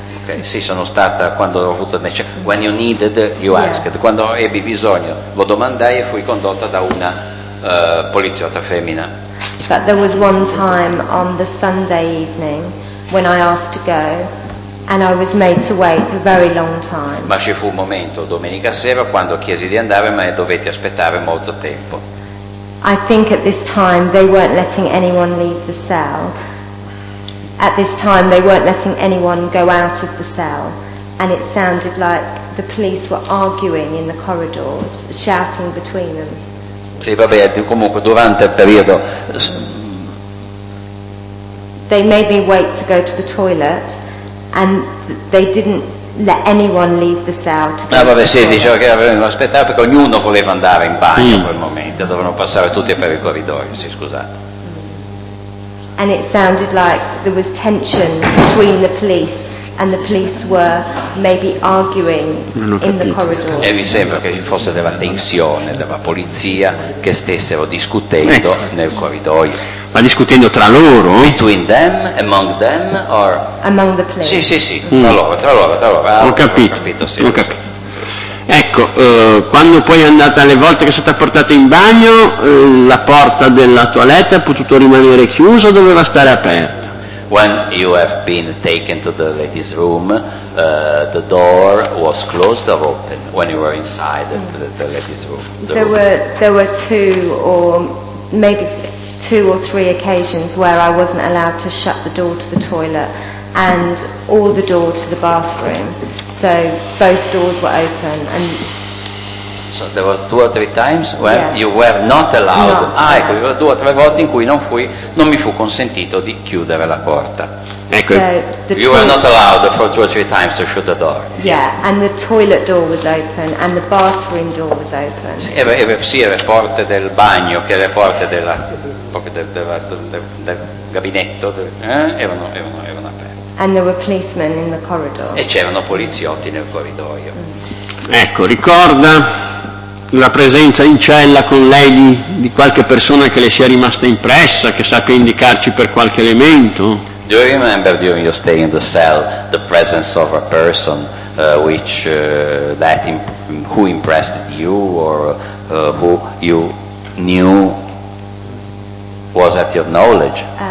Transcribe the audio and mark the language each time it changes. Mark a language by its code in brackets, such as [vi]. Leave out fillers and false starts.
[it] Okay, sì, sono stata quando ho avuto necessità. [en] When you needed, you asked. Yeah. [it] Quando ebbi bisogno, lo domandai e fui condotta da una poliziotta femmina. [en] But there was one time on the Sunday evening when I asked to go and I was made to wait a very long time. [it] Ma ci fu un momento domenica sera quando chiesi di andare ma dovetti aspettare molto tempo. [en] I think at this time they weren't letting anyone leave the cell. At this time they weren't letting anyone go out of the cell and it sounded like the police were arguing in the corridors, shouting between them. [it] Sì, vabbè, comunque durante il periodo [en] they made me wait to go to the toilet and they didn't let anyone leave the cell to go. [it] Ah, vabbè, [en] to [it] sì, dicevo che avevano aspettato perché ognuno voleva andare in bagno in quel momento, dovevano passare tutti per i corridoi, sì, scusate. [en] And it sounded like there was tension between the police and the police were maybe arguing in the corridor. [it] E mi sembra che ci fosse della tensione della polizia che stessero discutendo nel corridoio. Ma discutendo tra loro? [en] Between them, among them, or among the police. [it] Sì, sì, sì, tra loro. Ho capito. Ho capito. Ecco, quando poi è andata le volte che è stata portata in bagno, la porta della toilette ha potuto rimanere chiusa o doveva stare aperta? [en] When you have been taken to the ladies' room, the door was closed or open when you were inside the ladies' room? There were two or three occasions where I wasn't allowed to shut the door to the toilet. And all the door to the bathroom, so both doors were open. And so there was two or three times where you were not allowed. [it] Ecco, ci sono due o tre volte in cui non mi fu consentito di chiudere la porta. Ecco. [en] So you were not allowed for two or three times to shut the door. Yeah, and the toilet door was open and the bathroom door was open. [it] Sì, le porte del bagno, che le porte della proprio del gabinetto erano [en] and there were policemen in the corridor. [it] E c'erano poliziotti nel corridoio. Ecco, ricorda la presenza in cella con lei di qualche persona che le sia rimasta impressa, che sappia indicarci per qualche elemento? [en] Do you remember during your stay in the cell the presence of a person who impressed you or who you knew was at your knowledge?